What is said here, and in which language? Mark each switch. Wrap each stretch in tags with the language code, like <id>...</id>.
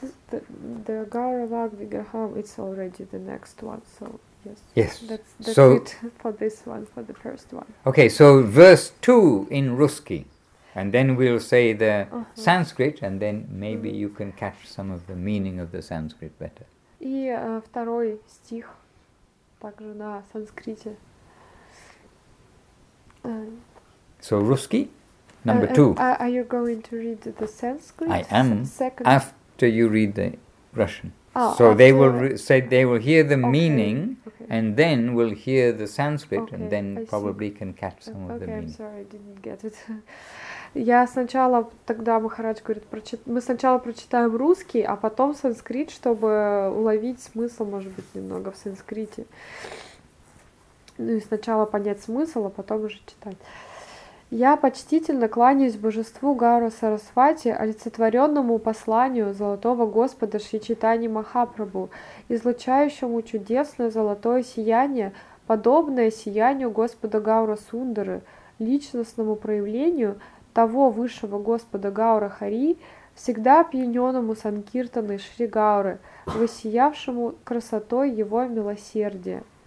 <en>The Garavag Vigraham, it's already the next one, so... Yes. That's so, it for this one, for the first one. Okay, so verse 2 in Ruski, and then we'll say the Sanskrit, and then maybe you can catch some of the meaning of the Sanskrit better.</en> <ru>И второй стих также на санскрите.</ru> <en>So Ruski, number 2. Are you going to read the Sanskrit? I am, second? After you read the Russian. They will hear the meaning, and then will hear the Sanskrit, and then probably can catch some of the meaning. Okay, I'm sorry, I didn't get it.</en> <ru>Я сначала, тогда Махарадж говорит, мы сначала прочитаем русский, а потом санскрит, чтобы уловить смысл, может быть, немного в санскрите. Ну и сначала понять смысл, а потом уже читать. Я почтительно кланяюсь божеству Гауру Сарасвати, олицетворенному посланию золотого господа Шри Чайтаньи Махапрабху, излучающему чудесное золотое сияние, подобное сиянию господа Гаура Сундары, личностному проявлению того высшего господа Гаура Хари, всегда опьяненному санкиртаной Шри Гауры, воссиявшему красотой его милосердия.</ru>